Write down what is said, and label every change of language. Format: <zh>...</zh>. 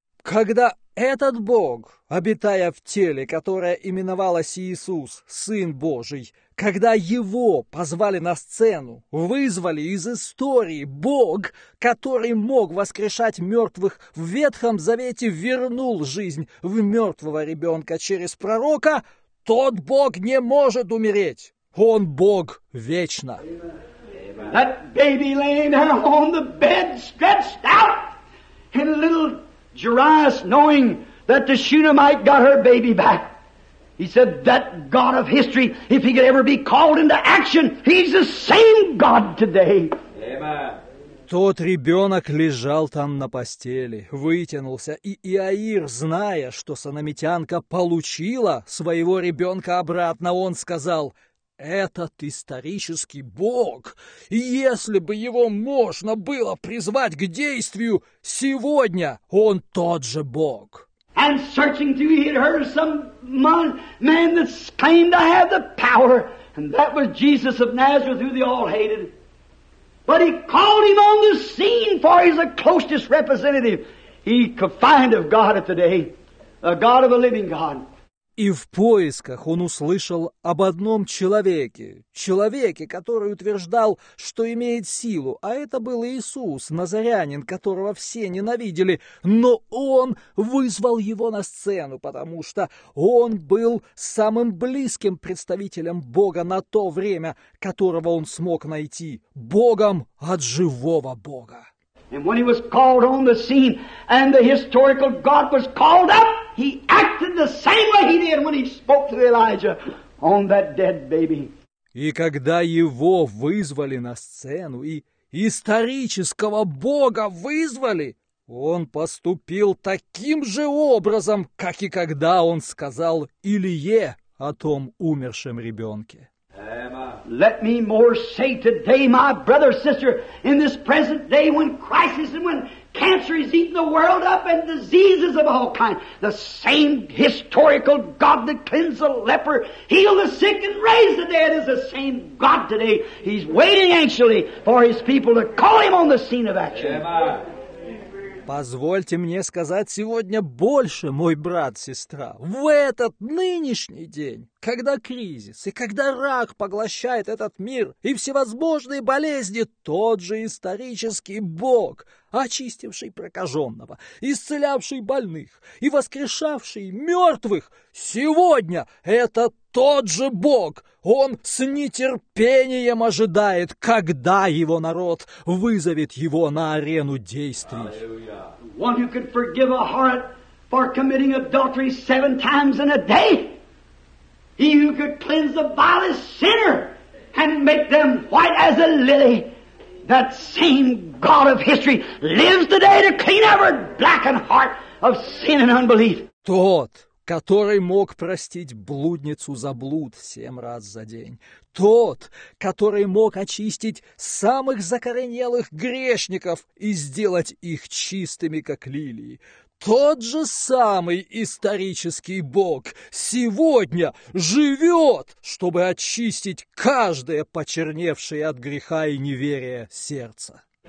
<ru>Когда этот Бог, обитая в теле, которое именовалось Иисус, Сын Божий, когда Его позвали на сцену, вызвали из истории, Бог, который мог воскрешать мертвых в Ветхом Завете, вернул жизнь в мертвого ребенка через пророка, тот Бог не может умереть. Он Бог вечно.</ru> <en>That baby laying down on the bed, stretched out, and little Jairus, knowing that the Shunammite got her baby back. He said, that God of history, if he could ever be called into action, he's the same God today. Amen.</en> <ru>Тот ребенок лежал там на постели, вытянулся, и Иаир, зная, что санамитянка получила своего ребенка обратно, он сказал, этот исторический Бог, если бы его можно было призвать к действию, сегодня он тот же Бог.</ru> <en>And searching through, he had heard some man that claimed to have the power, and that was Jesus of Nazareth, who they all hated. But he called him on the scene, for he's the closest representative he could find of God of today, a God of a living God.</en> <ru>И в поисках он услышал об одном человеке, человеке, который утверждал, что имеет силу, а это был Иисус, назарянин, которого все ненавидели, но он вызвал его на сцену, потому что он был самым близким представителем Бога на то время, которого он смог найти, Богом от живого Бога.</ru> <en>And when he was called on the scene, and the historical God was called up, he acted the same way he did when he spoke to Elijah on that dead baby.</en> <ru>И когда его вызвали на сцену, и исторического Бога вызвали, он поступил таким же образом, как и когда он сказал Илье о том умершем ребенке.</ru> <en>Let me more say today, my brother, sister, in this present day when crisis and when cancer is eating the world up and diseases of all kinds, the same historical God that cleansed the leper, healed the sick and raised the dead is the same God today. He's waiting anxiously for his people to call him on the scene of action.</en> <ru>Позвольте мне сказать сегодня больше, мой брат, сестра. В этот нынешний день, когда кризис и когда рак поглощает этот мир и всевозможные болезни, тот же исторический Бог, очистивший прокаженного, исцелявший больных и воскрешавший мертвых, сегодня это тот же Бог. Он с нетерпением ожидает, когда его народ вызовет его на арену действий.</ru> <en>One who could forgive a heart for committing adultery 7 times in a day. He who could cleanse the vilest sinner and make them white as a lily. That same God of history lives today to clean every blackened heart of sin and unbelief.</en> <ru>Тот, который мог простить блудницу за блуд 7 раз за день. Тот, который мог очистить самых закоренелых грешников и сделать их чистыми, как лилии. Тот же самый исторический Бог сегодня живет, чтобы очистить каждое почерневшее от греха и неверия сердце.</ru>